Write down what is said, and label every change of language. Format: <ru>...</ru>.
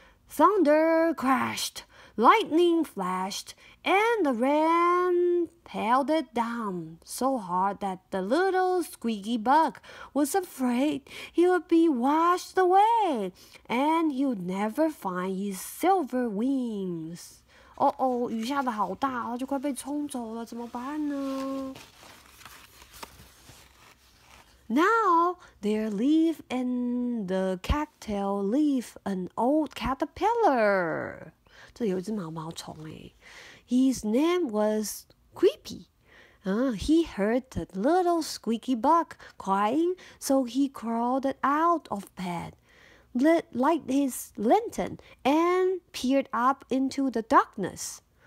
<en>Thunder crashed, lightning flashed, and the rain pelted down so hard that the little squeaky bug was afraid he would be washed away, and he would never find his silver wings.</en> <zh>哦哦，雨下得好大，他就快被冲走了，怎么办呢？</zh> <en>Now, there lived in the cattail leaf an old caterpillar.</en> <zh>这有一只毛毛虫诶。</zh> <en>His name was Creepy. He heard the little squeaky bug crying, so he crawled out of bed, lit his lantern, and peered up into the darkness.</en>